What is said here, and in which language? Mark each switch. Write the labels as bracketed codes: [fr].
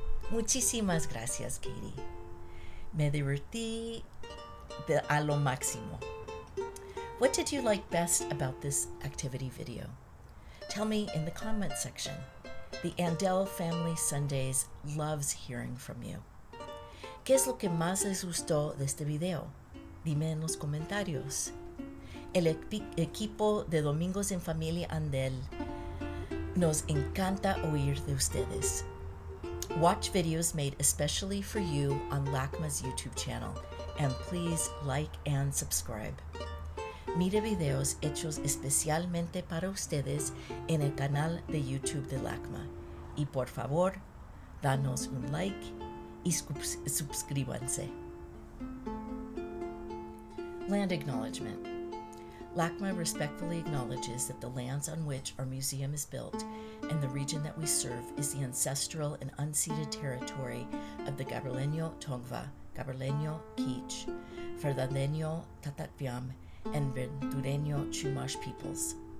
[es] Muchísimas gracias, Katie. Me divertí a lo máximo. [en] What did you like best about this activity video? Tell me in the comment section. The Andell Family Sundays loves hearing from you. [es] ¿Qué es lo que más les gustó de este video? Dime en los comentarios. El equipo de Domingos en Familia Andell nos encanta oír de ustedes. [en] Watch videos made especially for you on LACMA's YouTube channel, and please like and subscribe. [es] Mire videos hechos especialmente para ustedes en el canal de YouTube de LACMA. Y por favor, danos un like y suscríbanse. [en] Land acknowledgement. LACMA respectfully acknowledges that the lands on which our museum is built and the region that we serve is the ancestral and unceded territory of the Gabrileño Tongva, Gabrileño Quiche, Verdadeño Tatatviam, and Verdureño Chumash peoples.